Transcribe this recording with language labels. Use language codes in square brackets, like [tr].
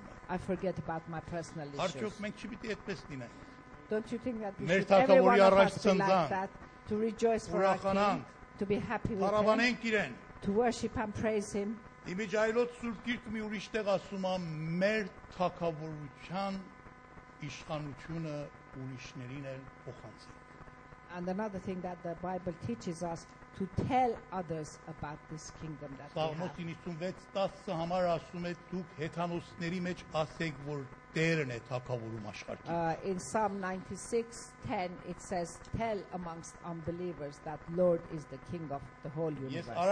[en] I forget about my personal issues. Don't you think that we should every one of us be like that? To rejoice for our King. To be happy with him. To worship and praise him. [hy] Իմիջայլոց Սուրբ Գիրքը մի ուրիշ տեղ ասում է, մեր թագավորության իշխանությունը ուրիշներին էլ փոխանցել. [en] And another thing that the Bible teaches us to tell others about this kingdom that we have. In Psalm 96:10, it says, tell amongst unbelievers that Lord is the King of the whole universe.